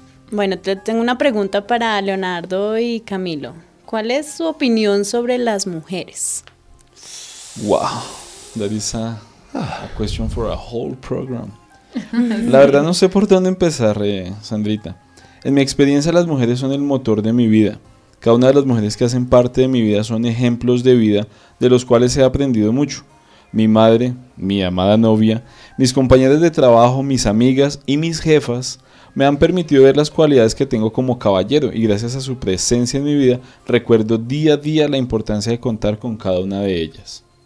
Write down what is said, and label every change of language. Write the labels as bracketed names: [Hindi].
[Spanish] Bueno, tengo una pregunta para Leonardo y Camilo. ¿Cuál es su opinión sobre las mujeres? [English] Wow, that is a question for a whole program. [Spanish] La verdad no sé por dónde empezar, Sandrita. En mi experiencia, las mujeres son el motor de mi vida. Cada una de las mujeres que hacen parte de mi vida son ejemplos de vida de los cuales he aprendido mucho. Mi madre, mi amada novia, mis compañeras de trabajo, mis amigas y mis jefas me han permitido ver las cualidades que tengo como caballero, y gracias a su presencia en mi vida, recuerdo día a día la importancia de contar con cada una de ellas.